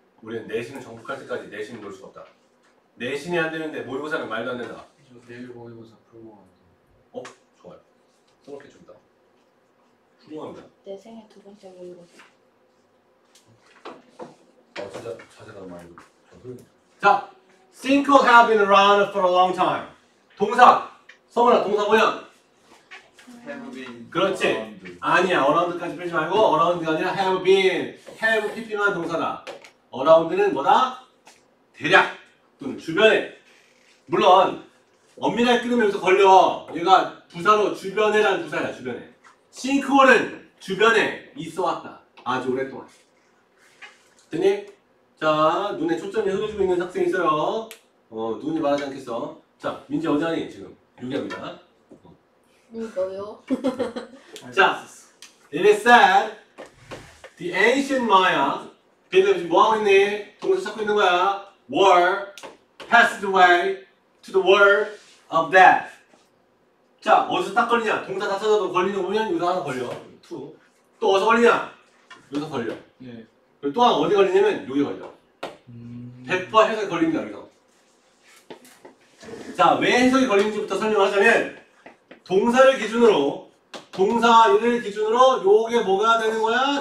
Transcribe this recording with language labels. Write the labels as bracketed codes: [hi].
[ko] 우린 내신을 정복할 때까지 내신을 놓을 수가 없다. 내신이 안 되는데 모의고사는 말도 안 된다. 저 내일 모의고사 프로모하는데. 어? 좋아요. 그렇게 준다. 훌륭합니다. 내 생애 두 번째 모의고사. 어 진짜 자세가 많이 좋습니다. [en] 자, sinkhole have been around for a long time. [ko] 동사, 서문아 동사 뭐야? [en] Have been. [ko] 그렇지. [en] Around. [ko] 아니야, around까지 빼지 말고 around가 아니라 have been. have PP만 동사다. around는 뭐다? 대략 또는 주변에. 물론 엄밀하게 끊으면서 걸려. 얘가 부사로 주변에라는 부사야. 주변에. 싱크홀은 주변에 있어왔다. 아주 오랫동안. 됐니? 자 눈에 초점이 흐려지고 있는 학생이 있어요. 눈이 말하지 않겠어. 자 민지 어디 하니 지금? 유기합니다. 이거요? [en] 자 It is said The ancient Maya [ko] 걔들 지금 뭐하고 있니? 동사 찾고 있는 거야. [en] Were passed away to the world of death. [ko] 자 어디서 딱 걸리냐? 동사 다 찾아도 걸리는 거 보면 여기서 하나 걸려. 투. 또 어디서 걸리냐? 여기서 걸려. 네. 그리고 또 하나 어디 걸리냐면 여기 걸려. 백과 해석이 걸립니다. 여기서. 자 왜 해석이 걸리는지부터 설명하자면 동사를 기준으로 동사를 기준으로 요게 뭐가 되는 거야?